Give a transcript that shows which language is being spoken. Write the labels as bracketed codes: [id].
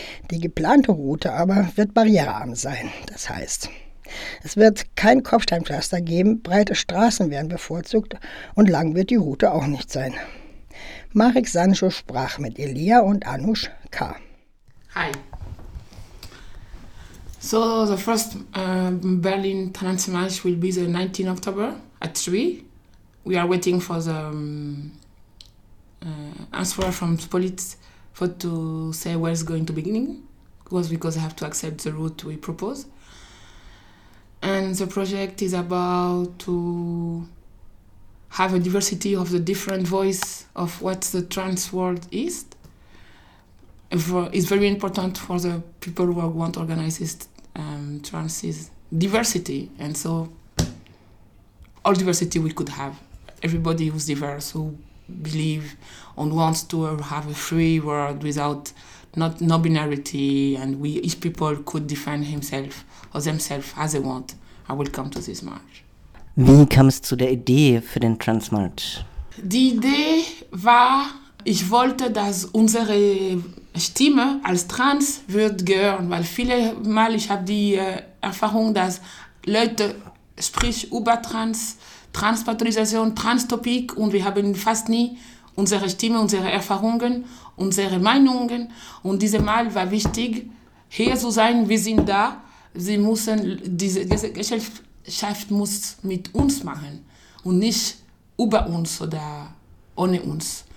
[de] Die geplante Route aber wird barrierearm sein. Das heißt, es wird kein Kopfsteinpflaster geben, breite Straßen werden bevorzugt und lang wird die Route auch nicht sein. Marek Sancho sprach mit Elia und Anush K. [en] Hi. So the first Berlin Transmarch will be the 19th October at 3. We are waiting for the answer from the police for to say where it's going to beginning. It was because they have to accept the route we propose. And the project is about to have a diversity of the different voice of what the trans world is. It's very important for the people who want to organize this. Trans is diversity, and so all diversity we could have. Everybody who's diverse, who believe and wants to have a free world without no binarity, and we each people could define himself or themselves as they want. I will come to this march. [de] Wie kam es zu der Idee für den Transmarch? Die Idee war, ich wollte, dass unsere Stimme als Trans wird gehört, weil viele Mal ich habe die Erfahrung, dass Leute sprich über Trans, Transpatronisation, Transtopik und wir haben fast nie unsere Stimme, unsere Erfahrungen, unsere Meinungen und diese Mal war wichtig, hier zu sein, wir sind da, sie müssen, diese Gesellschaft muss mit uns machen und nicht über uns oder ohne uns.